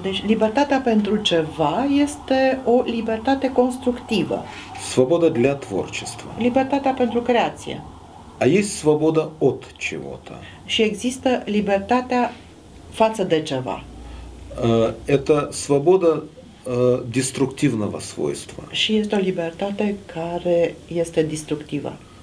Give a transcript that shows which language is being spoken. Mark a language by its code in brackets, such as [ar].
[ro] Deci, libertatea pentru ceva este o libertate constructivă. [ru] Свобода для творчества. [ro] Libertatea pentru creație. [ru] А есть свобода от чего-то. [ro] Și există libertatea față de ceva. [ru] Это свобода деструктивного свойства. [ro] Și este o libertate care este destructivă.